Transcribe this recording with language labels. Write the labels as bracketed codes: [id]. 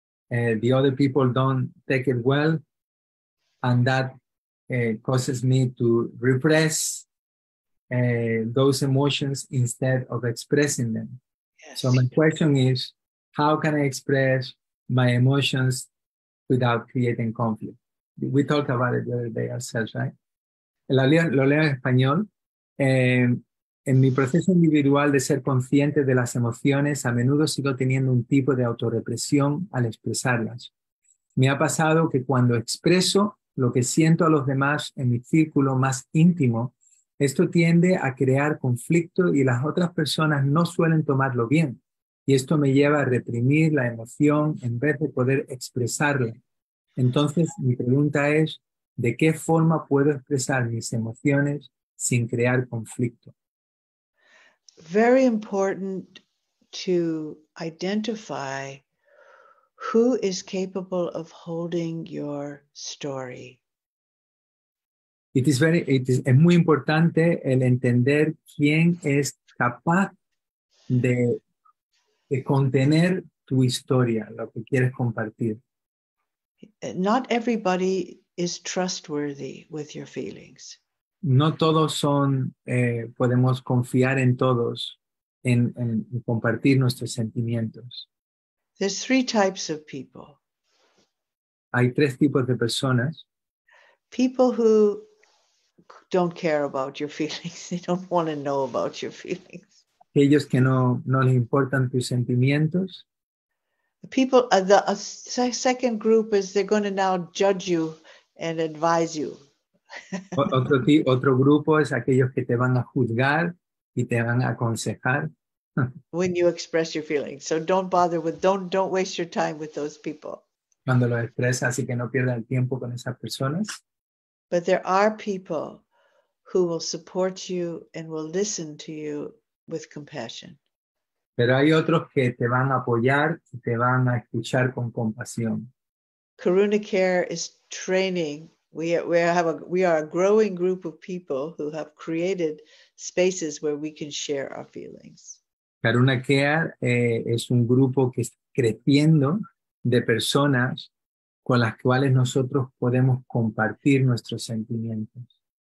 [en] The other people don't take it well, and that causes me to repress those emotions instead of expressing them. Yes. So my question is, how can I express my emotions without creating conflict? We talked about it the other day ourselves, right? [es] Lo leo en español. En mi proceso individual de ser consciente de las emociones, a menudo sigo teniendo un tipo de autorrepresión al expresarlas. Me ha pasado que cuando expreso lo que siento a los demás en mi círculo más íntimo, esto tiende a crear conflicto y las otras personas no suelen tomarlo bien. Y esto me lleva a reprimir la emoción en vez de poder expresarla. Entonces, mi pregunta es, ¿de qué forma puedo expresar mis emociones sin crear conflicto? [en] Very important to identify who is capable of holding your story. [es] Es muy importante el entender quién es capaz de contener tu historia, lo que quieres compartir. [en] Not everybody is trustworthy with your feelings. [es] No todos son, podemos confiar en todos, en compartir nuestros sentimientos. [en] There's three types of people. [es] Hay tres tipos de personas. [en] People who don't care about your feelings. They don't want to know about your feelings. [es] Aquellos que no les importan tus sentimientos. [en] The second group is they're going to now judge you and advise you. [es] Otro grupo es aquellos que te van a juzgar y te van a aconsejar. [en] When you express your feelings. So don't waste your time with those people. [es] Cuando lo expresas, así que no pierdas el tiempo con esas personas. [en] But there are people who will support you and will listen to you with compassion. [es] Pero hay otros que te van a apoyar y te van a escuchar con compasión. [en] Karuna Care is training. We are a growing group of people who have created spaces where we can share our feelings. [es] Karuna Care es un grupo que está creciendo de personas con las cuales nosotros podemos compartir nuestros sentimientos.